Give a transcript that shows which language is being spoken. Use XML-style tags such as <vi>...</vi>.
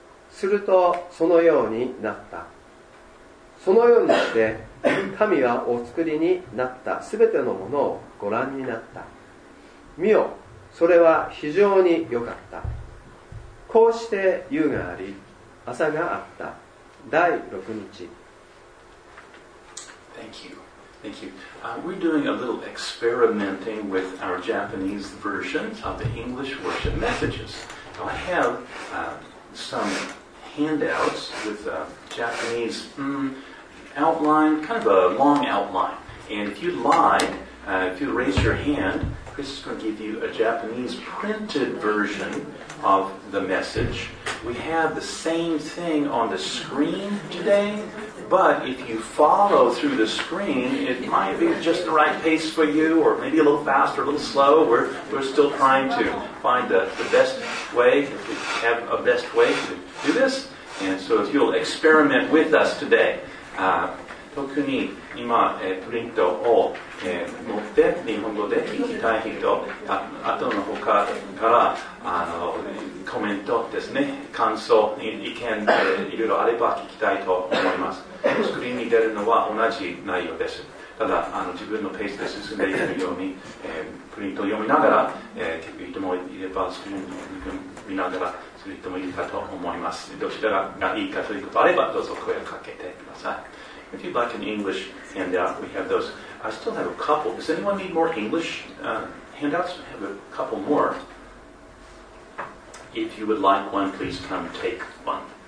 <ja>するとそのようになった。そのようにして神はお作りになったすべてのものをご覧になった。見よ、それは非常に良かった。こうして夕があり、朝があった。第6日。</ja> <en>Thank you. Thank you. We're doing a little experimenting with our Japanese version of the English worship messages. Now, I have some handouts with a Japanese outline, kind of a long outline. And if you'd like, if you raise your hand, Chris is going to give you a Japanese printed version of the message. We have the same thing on the screen today, but if you follow through the screen, it might be just the right pace for you, or maybe a little faster, a little slow. We're still trying to find the best way, if we have a best way to do this. And so if you'll experiment with us today,</en> <ja>特に今、プリントを、持って日本語で聞きたい人、あとの他からコメントですね、感想、意見、いろいろあれば聞きたいと思います。スクリーンに出るのは同じ内容です。ただ自分のペースで進んでいるように、プリントを読みながら、聞く人もいれば、スクリーンを見ながらする人もいるかと思います。どちらがいいかということがあれば、どうぞ声をかけてください。</ja> <en>If you'd like an English handout, we have those. I still have a couple. Does anyone need more English handouts? I have a couple more. If you would like one, please come take one.</en>